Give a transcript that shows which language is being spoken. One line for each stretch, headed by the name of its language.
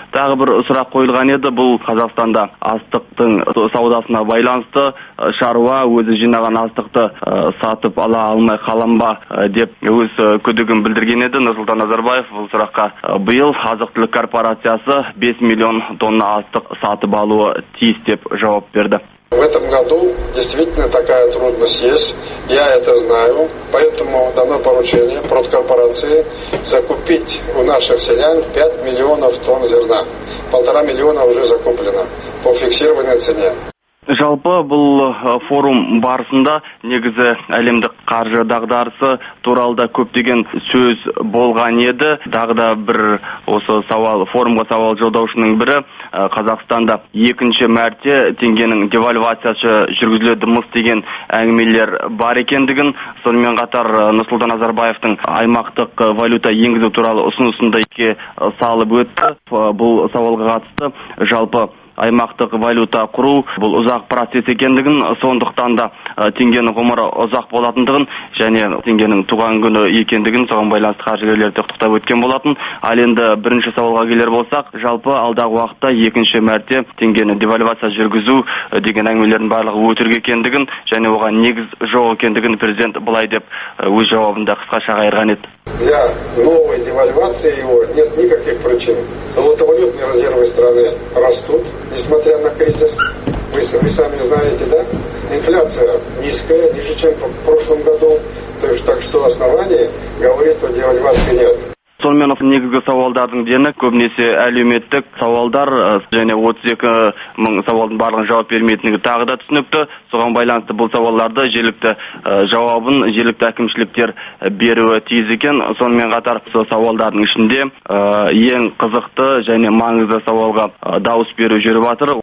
Kazakh: Тағы бір сұрақ қойылған еді. Бұл Қазақстанда астықтың саудасына байланысты шаруа өзі жинаған астықты сатып ала алмай қалам ба деп өз күдігін білдірген еді Нұрсұлтан Назарбаев. Бұл сұраққа биыл азық-түлік корпорациясы 5 миллион тонна астық сатып алуы тиіс деп жауап берді.
Russian: В этом году действительно такая трудность есть, я это знаю, поэтому дано поручение продкорпорации закупить у наших селян 5 миллионов тонн зерна. 1,5 миллиона уже закуплено по фиксированной цене.
Kazakh: Жалпы бұл форум барысында негізі әлемдік қаржы дағдарысы туралы көптеген сөз болған еді. Тағы бір осы форумға сауал жолдаушының бірі Қазақстанда екінші мәрте теңгенің девальвациясы жүргізіледі мыс деген әңгімелер бар екендігін, сонымен қатар Нұрсұлтан Назарбаевтың аймақтық валюта енгізу туралы ұсынысында еске салып өтті. Бұл сауалға қатысты жалпы аймақтық валюта құру бұл ұзақ процесс екендігін, сондықтан да теңгенің ғұмыры ұзақ болатындығын және теңгенің туған күні екендігін соған байланысты қаржыгерлерді құттықтап өткен болатын. Ал енді бірінші сауалға келер болсақ, жалпы алдағы уақытта екінші мәрте теңгені девальвация жүргізу деген әңгімелердің барлығы өтірік екендігін және оған негіз жоқ екендігін президент былай деп өз жауабында қысқаша қайырған еді.
Russian: Для новой девальвации его нет никаких причин. Золотовалютные резервы страны растут, несмотря на кризис. Вы сами знаете, да? Инфляция низкая, ниже, чем в прошлом году. То есть, так что оснований говорить, что девальвации нет.
Kazakh: Сонымен негізгі сауалдардың дені көбінесе әлеуметтік сауалдар және 32 мың сауалдың барлығын жауап бермейтіндігі тағы да түсінікті. Соған байланысты бұл сауалдарды жауабын жергілікті әкімшіліктер беруі тиіс екен. Сонымен қатар сол сауалдардың ішінде ең қызықты және маңызды сауалға дауыс беру жүріп жатыр.